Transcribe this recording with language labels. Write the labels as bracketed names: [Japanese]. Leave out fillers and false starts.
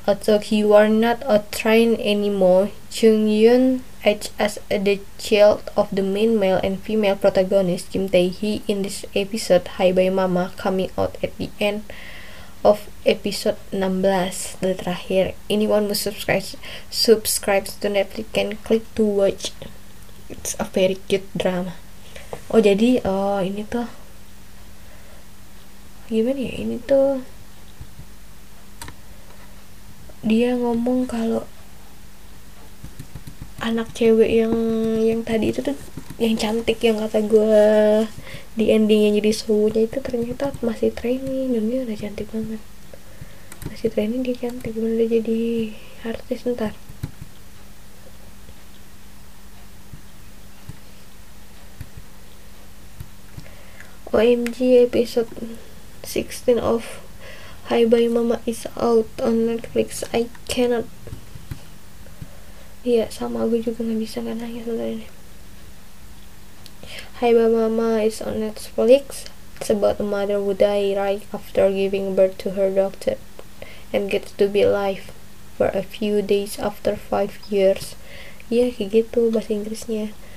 [English] Although you are not a train anymore, Chu Yun acts as the child of the main male and female protagonist Kim Tae Hee in this episode Hi Bye Mama coming out at the end of episode 16 the terakhir. Anyone who subscribes to Netflix can click to watch. It's a very cute drama." [Indonesian] Oh, jadi ini tuh gimana ya, ini tuh dia ngomong kalau anak cewek yang tadi itu tuh yang cantik yang kata gue di ending yang jadi suhunya itu ternyata masih training dan dia udah cantik banget, masih training dia cantik, gimana dia jadi artis ntar. [English] OMG, episode 16 of Hi Bye Mama is out on Netflix. I cannot. [Indonesian] Iya, sama gue juga gak bisa gak nangis sebentar ini. [English] Hi Bye Mama is on Netflix. It's about a mother who die right after giving birth to her daughter and gets to be alive for a few days after 5 years. [Indonesian] Iya, kayak gitu bahasa Inggrisnya.